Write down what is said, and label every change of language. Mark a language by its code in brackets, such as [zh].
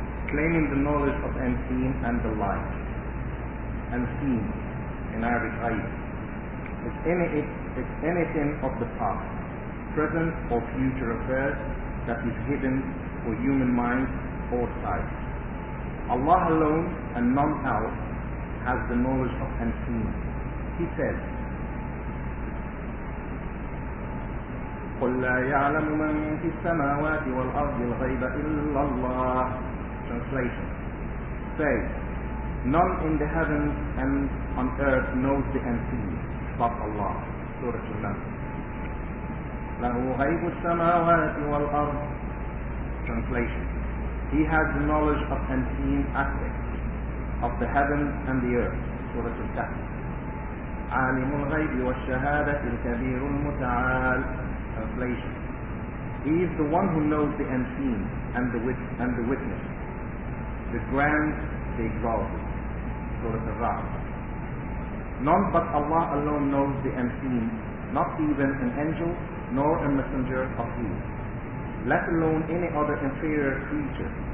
[en] Claiming the knowledge of unseen and the light. Unseen, in Arabic, ayat. It's anything of the past, present or future affairs that is hidden for human mind or sight. Allah alone and none else has the knowledge of unseen. He says, [ar] قل لا يعلم من في السماوات والأرض الغيب إلا الله. [en] Translation. Say, none in the heavens and on earth knows the unseen but Allah. Surah Al-Nam. [ar] له غيب السماوات والأرض. [en] Translation. He has the knowledge of unseen aspects of the heavens and the earth. Surah Al-Kahf. [ar] عالم الغيب والشهادة الكبير المتعال. [en] Translation. He is the one who knows the unseen and the witness, the grand, the exalted. Surah Al-Ra'd. None but Allah alone knows the unseen, not even an angel nor a messenger of you, let alone any other inferior creature.